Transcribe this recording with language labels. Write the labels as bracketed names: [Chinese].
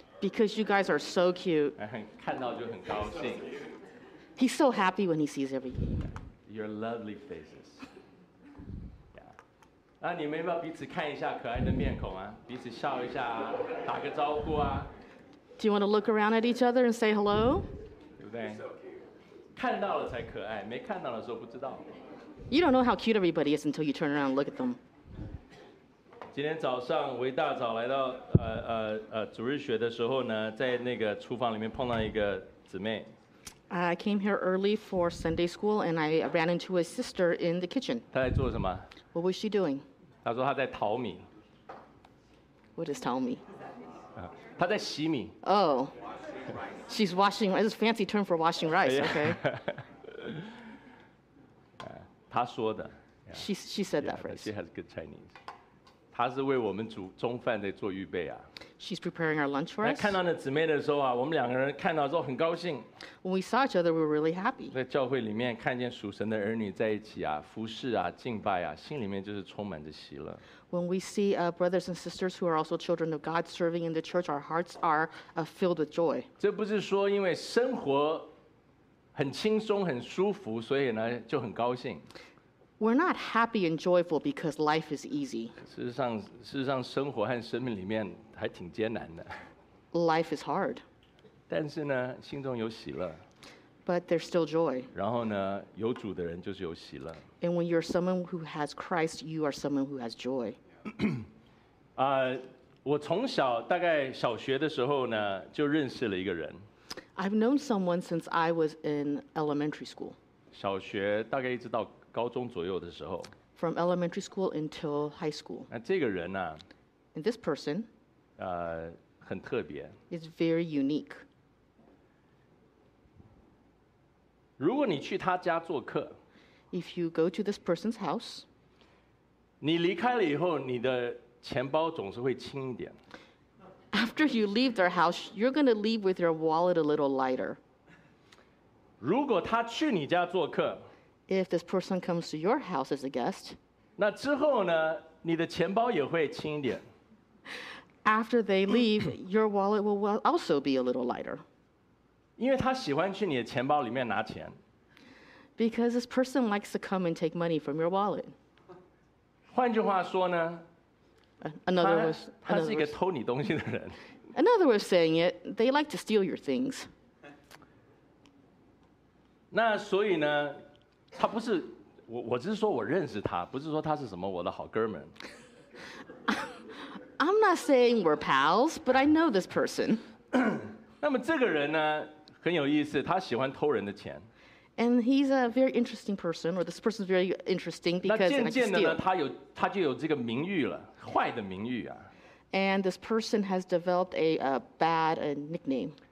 [English] Because you guys are so cute. [Chinese] 看到就很高兴。 [English] He's so happy when he sees everything. Your lovely faces. [Chinese] 那你们要不要彼此看一下可爱的面孔啊？彼此笑一下啊，打个招呼啊。 [English] Do you want to look around at each other and say hello? [Chinese] 对不对？看到了才可爱，没看到的时候不知道。 [English] You don't know how cute everybody is until you turn around and look at them. [Chinese] 今天早上我一大早来到主日学的时候呢，在那个厨房里面碰到一个姊妹。 [English] I came here early for Sunday school and I ran into a sister in the kitchen. [Chinese] 她在做什么？ [English] What was she doing? [Chinese] 她说她在淘米。 [English] What is 淘米？ [Chinese] 她在洗米。 [English] Oh, she's washing. It's a fancy term for washing rice. Okay. [Chinese] 她说的。 [English] She said that phrase. She has good Chinese. [Chinese] 她是为我们煮中饭在做预备啊。 [English] She's preparing our lunch for us. [Chinese] 看到那姊妹的时候啊，我们两个人看到之后很高兴。 [English] When we saw each other, we were really happy. [Chinese] 在教会里面看见属神的儿女在一起啊，服侍啊，敬拜啊，心里面就是充满着喜乐。 [English] When we see brothers and sisters who are also children of God serving in the church, our hearts are filled with joy. [Chinese] 这不是说因为生活很轻松很舒服，所以呢就很高兴。 [English] We're not happy and joyful because life is easy. [Chinese] 事实上生活和生命里面还挺艰难的。 [English] Life is hard. [Chinese] 但是呢，心中有喜乐。 [English] But there's still joy. [Chinese] 然后呢，有主的人就是有喜乐。 [English] And when you're someone who has Christ, you are someone who has joy. [Chinese] 我从小大概小学的时候呢，就认识了一个人。 [English] I've known someone since I was in elementary school. [Chinese] 小学大概一直到高中左右的时候。 [English] From elementary school until high school. [Chinese] 那这个人呢、啊、 [English] ？And this person. [Chinese] 很特别。 [English] It's very unique. [Chinese] 如果你去他家做客。 [English] If you go to this person's house. [Chinese] 你离开了以后，你的钱包总是会轻一点。 [English] After you leave their house, you're going to leave with your wallet a little lighter. [Chinese] 如果他去你家做客。 [English] If this person comes to your house as a guest, [Chinese] 那之后呢，你的钱包也会轻一点。 [English] After they leave, your wallet will also be a little lighter. [Chinese] 因为他喜欢去你的钱包里面拿钱。 [English] Because this person likes to come and take money from your wallet. [Chinese] 换句话说呢， [English] another way, [Chinese] 他是一个偷你东西的人。 [English] Another way of saying it, they like to steal your things. [Chinese] 那所以呢？他不是我只是说我认识他，不是说他是什么我的好哥们。 [English] I'm not saying we're pals, but I know this person. [Chinese] 那么这个人呢，很有意思，他喜欢偷人的钱。 [English] And he's a very interesting person, or this person is very interesting because. [Chinese] 那渐渐的呢，他就有这个名誉了，坏的名誉啊。 [English] And this person has developed a bad nickname.